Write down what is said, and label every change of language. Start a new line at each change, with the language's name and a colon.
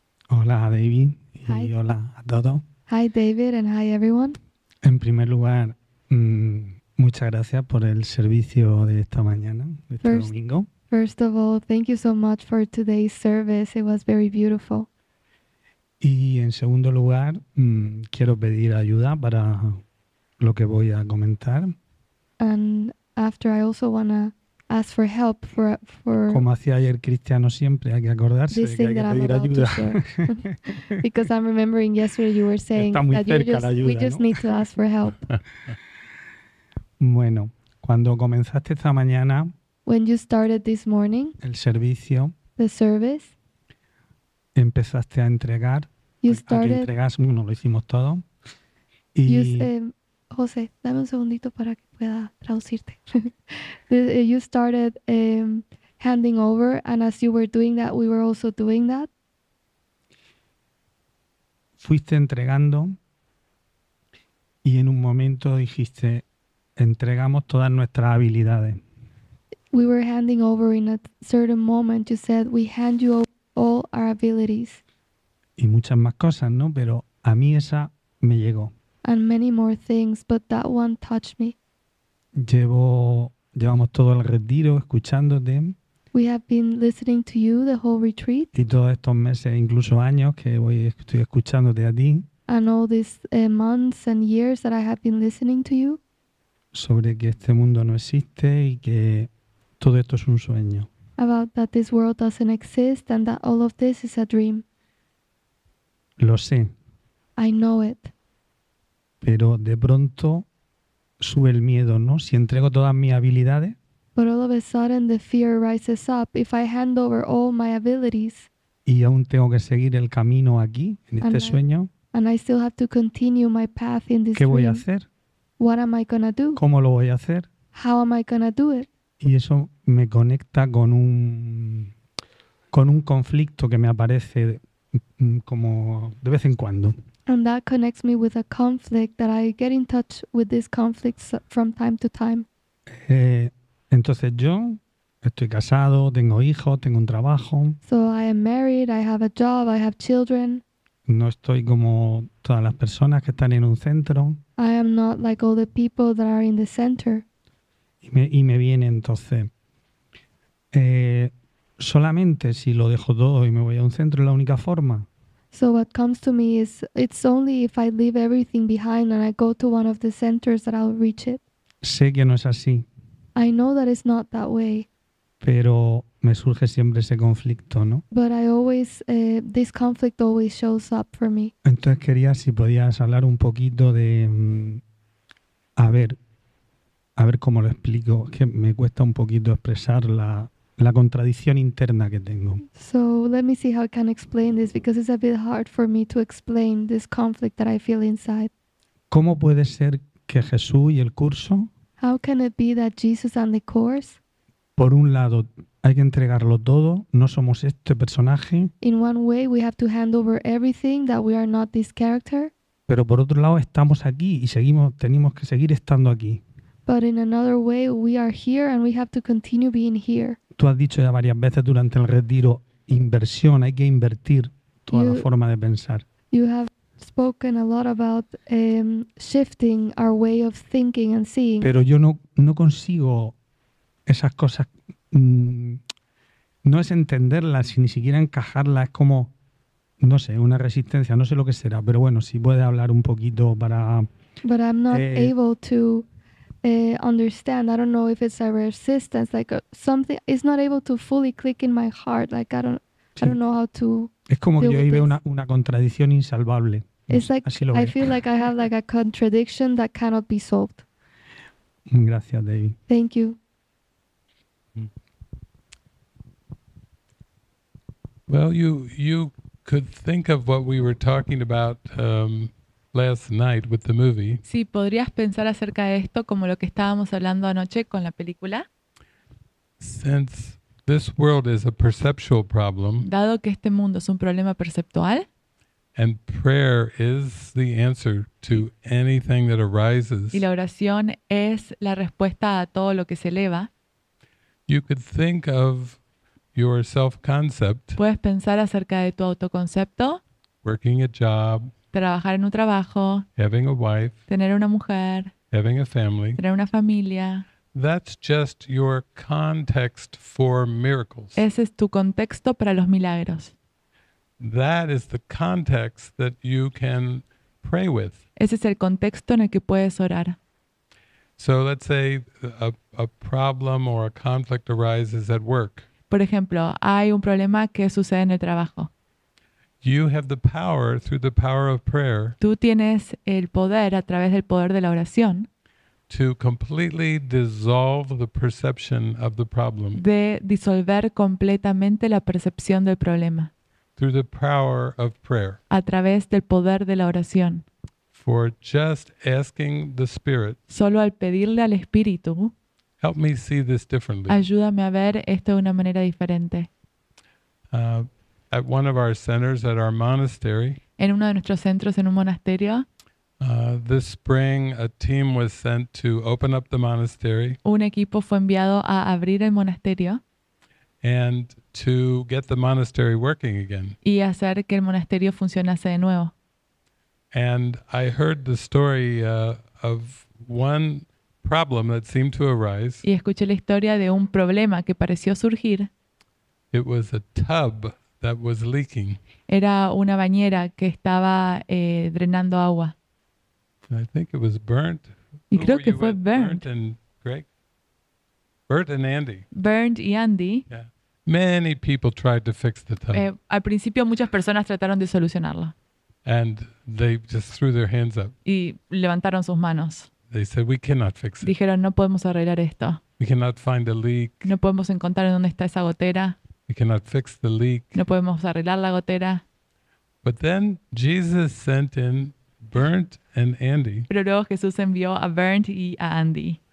Spanish: Hola, David. Hi. Y hola a todos.
English: Hi, David, and hi, everyone.
Spanish: En primer lugar, muchas gracias por el servicio de esta mañana, de este domingo.
English: First of all, thank you so much for today's service. It was very beautiful.
Spanish: Y en segundo lugar, quiero pedir ayuda para lo que voy a comentar.
English: And after, I also want to ask for help for
Spanish: como hacía ayer Cristiano siempre, hay que acordarse de que hay que pedir ayuda.
English: Because I'm remembering yesterday you were saying that we just need to ask for help.
Spanish: Bueno, cuando comenzaste esta mañana,
English: when you started this morning,
Spanish: el servicio,
English: the service,
Spanish: empezaste a entregar,
English: you started,
Spanish: aquí entregas, bueno, lo hicimos todo. Y you, José, dame un segundito para que pueda traducirte.
English: You started handing over, and as you were doing that, we were also doing that.
Spanish: Fuiste entregando, y en un momento dijiste, entregamos todas nuestras habilidades.
English: We were handing over in a certain moment. You said, we hand you over all our abilities.
Spanish: Y muchas más cosas, ¿no? Pero a mí esa me llegó.
English: And many more things, but that one touched me.
Spanish: Llevamos todo el retiro escuchándote.
English: We have been listening to you the whole retreat.
Spanish: Y todos estos meses, incluso años, que estoy escuchándote a ti.
English: And all these months and years that I have been listening to you.
Spanish: Sobre que este mundo no existe y que todo esto es un sueño.
English: About that this world doesn't exist and that all of this is a dream.
Spanish: Lo sé.
English: I know it.
Spanish: Pero de pronto sube el miedo, ¿no? Si entrego todas mis habilidades.
English: But all of a sudden the fear rises up if I hand over all my abilities.
Spanish: Y aún tengo que seguir el camino aquí, en este sueño.
English: And I still have to continue my path in this
Spanish: dream. ¿Qué voy a hacer?
English: What am I gonna do?
Spanish: ¿Cómo lo voy a hacer?
English: How am I gonna do it?
Spanish: Y eso me conecta con un conflicto que me aparece como de vez en cuando.
English: And that connects me with a conflict that I get in touch with these conflicts from time to time.
Spanish: Entonces yo estoy casado, tengo hijos, tengo un trabajo.
English: So I am married, I have a job, I have children.
Spanish: No estoy como todas las personas que están en un centro.
English: I am not like all the people that are in the center.
Spanish: Y me viene entonces, solamente si lo dejo todo y me voy a un centro es la única forma.
English: So what comes to me is, it's only if I leave everything behind and I go to one of the centers that I'll reach it.
Spanish: Sé que no es así.
English: I know that it's not that way.
Spanish: Pero me surge siempre ese conflicto, ¿no?
English: But I always, this conflict always shows up for me.
Spanish: Entonces quería si podías hablar un poquito de, a ver cómo lo explico, que me cuesta un poquito expresar la contradicción interna que tengo.
English: So let me see how I can explain this because it's a bit hard for me to explain this conflict that I feel inside.
Spanish: ¿Cómo puede ser que Jesús y el curso?
English: How can it be that Jesus and the course?
Spanish: Por un lado, hay que entregarlo todo, no somos este personaje.
English: In one way, we have to hand over everything that we are not this character.
Spanish: Pero por otro lado, estamos aquí y tenemos que seguir estando aquí.
English: But in another way, we are here and we have to continue being here.
Spanish: Tú has dicho ya varias veces durante el retiro, inversión, hay que invertir toda la forma de pensar.
English: You have spoken a lot about shifting our way of thinking and seeing.
Spanish: Pero yo no consigo esas cosas. No es entenderlas y ni siquiera encajarlas. Es como, no sé, una resistencia. No sé lo que será. Pero bueno, si puede hablar un poquito para.
English: But I'm not able to understand. I don't know if it's a resistance, like something. It's not able to fully click in my heart. Like I don't know how to.
Spanish: Es como que yo ahí veo una contradicción insalvable.
English: It's like
Spanish: así lo
English: I feel like I have like a contradiction that cannot be solved.
Spanish: Gracias, David.
English: Thank you. Well, you could think of what we were talking about last night with the movie.
Spanish: Sí, podrías pensar acerca de esto como lo que estábamos hablando anoche con la película.
English: Since this world is a perceptual problem.
Spanish: Dado que este mundo es un problema perceptual.
English: And prayer is the answer to anything that arises.
Spanish: Y la oración es la respuesta a todo lo que se eleva.
English: You could think of your self-concept.
Spanish: Puedes pensar acerca de tu autoconcepto.
English: Working a job.
Spanish: Trabajar en un trabajo.
English: Having a wife.
Spanish: Tener una mujer.
English: Having a family.
Spanish: Tener una familia.
English: That's just your context for miracles.
Spanish: Ese es tu contexto para los milagros.
English: That is the context that you can pray with.
Spanish: Ese es el contexto en el que puedes orar.
English: So let's say a problem or a conflict arises at work.
Spanish: Por ejemplo, hay un problema que sucede en el trabajo.
English: You have the power through the power of prayer.
Spanish: Tú tienes el poder a través del poder de la oración.
English: To completely dissolve the perception of the problem.
Spanish: De disolver completamente la percepción del problema.
English: Through the power of prayer.
Spanish: A través del poder de la oración.
English: For just asking the Spirit.
Spanish: Solo al pedirle al Espíritu.
English: Help me see this differently.
Spanish: Ayúdame a ver esto de una manera diferente.
English: At one of our centers at our monastery.
Spanish: En uno de nuestros centros en un monasterio.
English: This spring, a team was sent to open up the monastery.
Spanish: Un equipo fue enviado a abrir el monasterio.
English: And to get the monastery working again.
Spanish: Y hacer que el monasterio funcionase de nuevo.
English: And I heard the story of one problem that seemed to arise.
Spanish: Y escuché la historia de un problema que pareció surgir.
English: It was a tub that was leaking.
Spanish: Era una bañera que estaba drenando agua.
English: I think it was burnt.
Spanish: Y creo que fue
English: burnt and Greg. Burnt and Andy.
Spanish: Burnt y Andy.
English: Yeah. Many people tried to fix the tub.
Spanish: Al principio muchas personas trataron de solucionarlo.
English: And they just threw their hands up.
Spanish: Y levantaron sus manos.
English: They said we cannot fix it.
Spanish: Dijeron no podemos arreglar esto.
English: We cannot find the leak.
Spanish: No podemos encontrar dónde está esa gotera.
English: We cannot fix the leak.
Spanish: No podemos arreglar la gotera.
English: But then Jesus sent in Burnt and Andy.
Spanish: Pero luego Jesús envió a Burnt y a Andy.